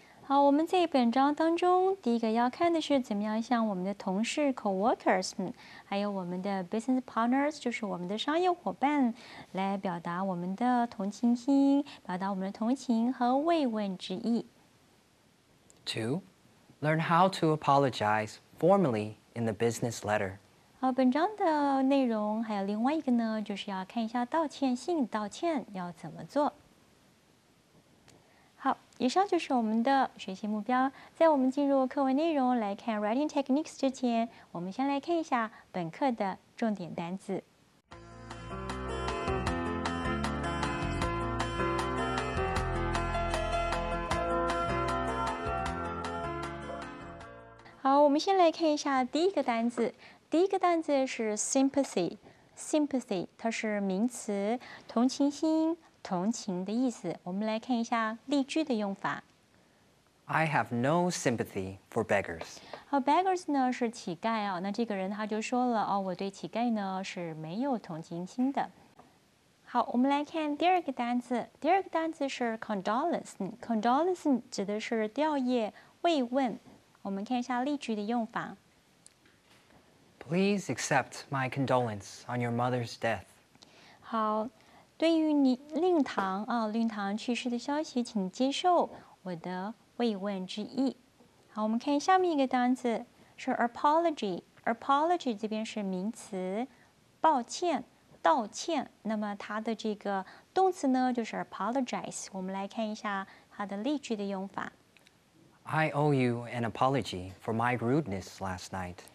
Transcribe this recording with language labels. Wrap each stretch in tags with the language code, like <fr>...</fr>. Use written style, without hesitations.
<zh>好，我们这一本章当中第一个要看的是怎么样向我们的同事 coworkers 还有我们的</zh> <en>business partners</en> <zh>就是我们的商业伙伴来表达我们的同情心，表达我们的同情和慰问之意。 2.</zh> <en>Learn how to apologize formally in the business letter.</en> <zh>好，本章的内容还有另外一个呢，就是要看一下道歉信，道歉要怎么做。好，以上就是我们的学习目标。在我们进入课文内容来看</zh> <en>writing techniques</en> <zh>之前，我们先来看一下本课的重点单词。好，我们先来看一下第一个单词。第一个单词是 sympathy， 它是名词，同情心。同情的意思，我们来看一下例句的用法。</zh> <en>I have no sympathy for beggars.</en> <zh>好 ，beggars 呢是乞丐啊、哦，那这个人他就说了哦，我对乞丐呢是没有同情心的。好，我们来看第二个单词，第二个单词是 condolence。 condolence 指的是吊唁、慰问。我们看一下例句的用法。</zh> <en>Please accept my condolence on your mother's death.</en> <zh>好。对于你令堂啊，令堂去世的消息，请接受我的慰问之意。好，我们看下面一个单词是 apology。apology 这边是名词，抱歉、道歉。那么它的这个动词呢，就是 apologize。我们来看一下它的例句的用法。</zh> <en>I owe you an apology for my rudeness last night.</en>